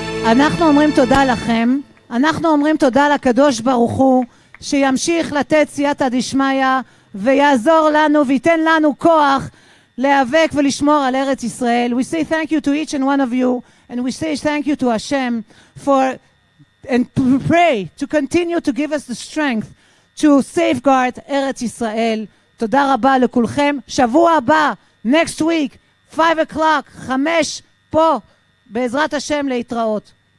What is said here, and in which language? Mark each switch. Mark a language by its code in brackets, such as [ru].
[he] אנחנו אומרים תודה לכם, אנחנו אומרים תודה לקדוש ברוך הוא, שימשיך לתת סייעתא דשמיא, ויעזור לנו ויתן לנו כוח להיאבק ולשמור על ארץ ישראל. [en] We say thank you to each and one of you, and we say thank you to Hashem for and pray to continue to give us the strength to safeguard ארץ ישראל. [he] תודה רבה לכולכם. שבוע הבא, [en] next week, 5 o'clock, [he] 5, פה, בעזרת השם, להתראות.